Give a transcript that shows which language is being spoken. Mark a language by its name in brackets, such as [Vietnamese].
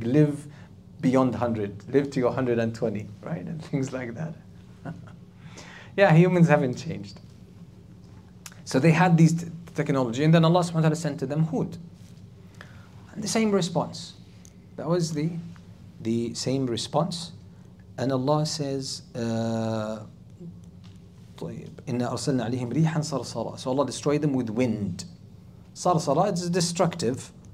[English] Live beyond 100. Live to your 120, right? And things like that. Yeah, humans haven't changed. So they had these technology, and then Allah subhanahu wa ta'ala sent to them Hud. And the same response. That was the same response. And Allah says, [Arabic] إِنَّا أَرْسَلْنَا عَلَيْهِمْ رِيحًا صَرْصَرًا. [English] So Allah destroyed them with wind. صَرْصَرًا, it's destructive.